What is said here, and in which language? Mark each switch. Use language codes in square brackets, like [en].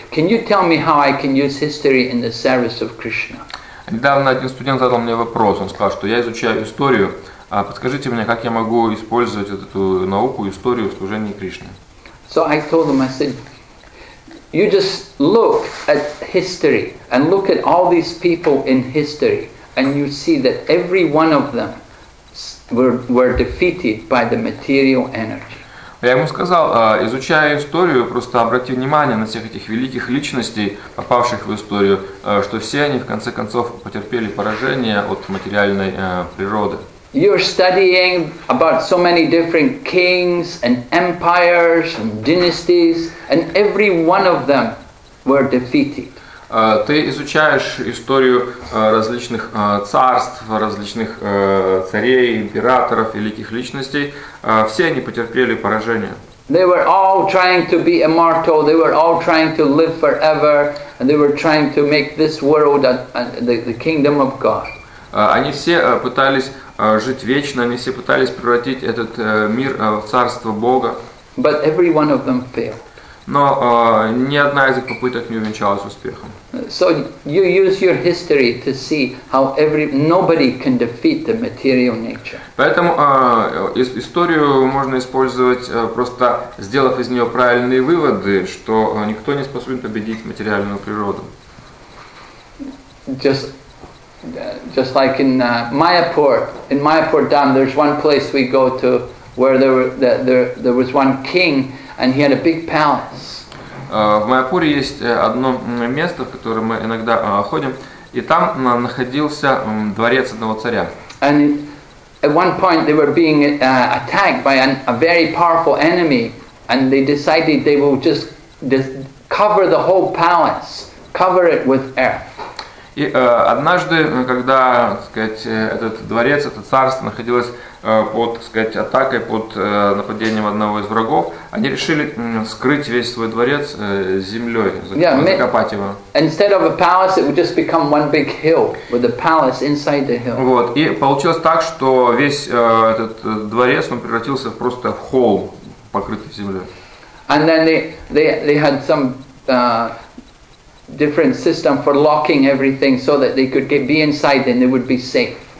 [en] Can you tell me how I can use history in the service of Krishna? [ru] Недавно один студент задал мне вопрос, он сказал, что я изучаю историю, а подскажите мне, как я могу использовать эту науку, историю в служении Кришне. [en] So I told him, I said, you just look at history and look at all these people in history and you see that every one of them were defeated by the material energy. [ru] Я ему сказал, изучая историю, просто обрати внимание на всех этих великих личностей, попавших в историю, что все они в конце концов потерпели поражение от материальной природы. [en] You're studying about so many different kings and empires and dynasties, and every one of them were defeated. [ru] Ты изучаешь историю различных царств, различных царей, императоров, великих личностей. Все они потерпели поражение. [en] They were all trying to be immortal, they were all trying to live forever, and they were trying to make this world the kingdom of God. [ru] Они все пытались жить вечно, они все пытались превратить этот мир в царство Бога. [en] But every one of them failed. [ru] Но ни одна из их попыток не увенчалась успехом. [en] So you use your history to see how nobody can defeat the material nature. [ru] Поэтому историю можно использовать просто сделав из нее правильные выводы, что никто не способен победить материальную природу. [en] Just like in Mayapur, in Mayapur Dam, there's one place we go to where there was one king. And he had a big palace. [ru] В Майяпуре есть одно место, в которое мы иногда ходим, и там находился дворец одного царя. [en] And at one point they were being attacked by a very powerful enemy, and they decided they will just cover the whole palace, cover it with earth. [ru] И однажды, когда, так сказать, этот дворец, это царство находилось под, так сказать, атакой, под нападением одного из врагов, они решили скрыть весь свой дворец землей, закопать его. [en] Instead of a palace, it would just become one big hill with a palace inside the hill. [ru] Вот, и получилось так, что весь этот дворец, он превратился в просто холм, покрытый землей. [en] And then they had some different system for locking everything so that they could be inside and they would be safe.